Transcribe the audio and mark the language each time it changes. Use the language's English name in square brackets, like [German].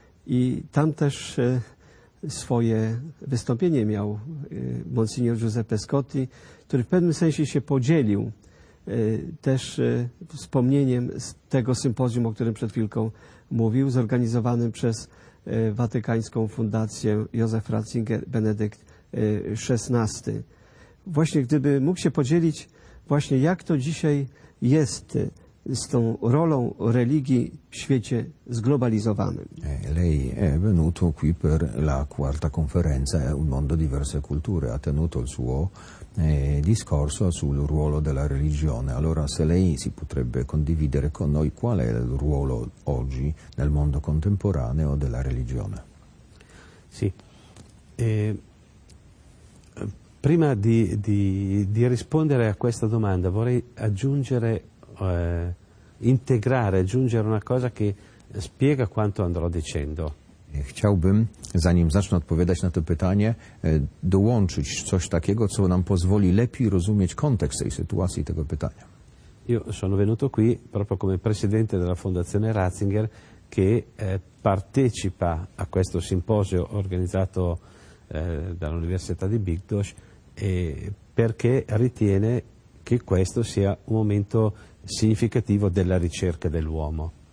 [Polish] I tam też swoje wystąpienie miał Monsignor Giuseppe Scotti, który w pewnym sensie się podzielił też wspomnieniem z tego sympozjum, o którym przed chwilką mówił, zorganizowanym przez Watykańską Fundację Joseph Ratzinger Benedykt XVI. Właśnie gdyby mógł się podzielić właśnie jak to dzisiaj jest z tą rolą religii w świecie zglobalizowanym. [Italian] Lei è venuto qui per la quarta conferenza Un mondo diverse culture, ha tenuto il suo discorso sul ruolo della religione. Allora, se lei si potrebbe condividere con noi qual è il ruolo oggi nel mondo contemporaneo della religione? Sì. Prima di rispondere a questa domanda vorrei aggiungere, aggiungere una cosa che spiega quanto andrò dicendo. [Polish] Chciałbym, zanim zacznę odpowiadać na to pytanie, dołączyć coś takiego, co nam pozwoli lepiej rozumieć kontekst tej sytuacji, tego pytania. [Italian] Io sono venuto qui proprio come presidente della Fondazione Ratzinger, che partecipa a questo simposio organizzato dall'Università di Bydgoszcz, perché ritiene che questo sia un momento significativo della ricerca dell'uomo.